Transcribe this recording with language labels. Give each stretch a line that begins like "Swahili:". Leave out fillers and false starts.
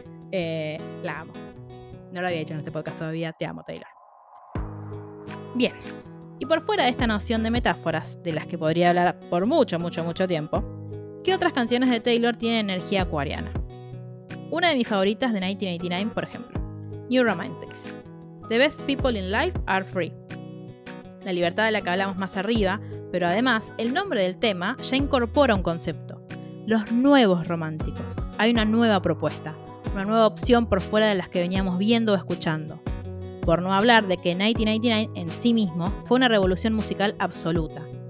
Spanish: La amo. No lo había dicho en este podcast todavía. Te amo, Taylor. Bien. Y por fuera de esta noción de metáforas, de las que podría hablar por mucho, mucho, mucho tiempo, ¿qué otras canciones de Taylor tienen energía acuariana? Una de mis favoritas de 1989, por ejemplo.
English: New Romantics. The best people in life are free.
Spanish: La libertad de la que hablamos más arriba, pero además, el nombre del tema ya incorpora un concepto. Los nuevos románticos. Hay una nueva propuesta. Una nueva opción por fuera de las que veníamos viendo o escuchando. Por no hablar de que 1989 en sí mismo fue una revolución musical absoluta.